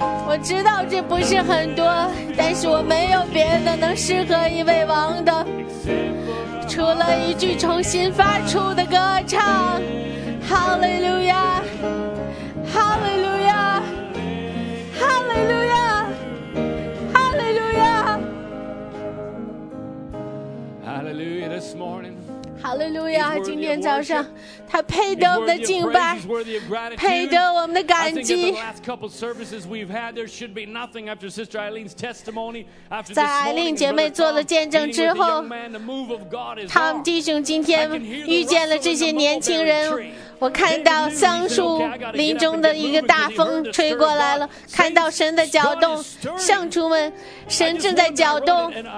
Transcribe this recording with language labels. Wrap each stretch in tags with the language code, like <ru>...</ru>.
<zh>我知道这不是很多，但是我没有别的能适合一位王的，除了一句重新发出的歌唱，哈利路亚，哈利路亚，哈利路亚，哈利路亚，哈利路亚。</zh> <en>This morning,</en> <zh>哈利路亚，今天早上，他配得我们的敬拜，配得我们的感激。</zh> <en>I think that the last couple services we've had, there should be nothing after Sister Eileen's testimony.</en> <zh>在艾琳姐妹做了见证之后，他们弟兄今天遇见了这些年轻人。我看到桑树林中的一个大风吹过来了，看到神的搅动，圣徒们，神正在搅动。</zh>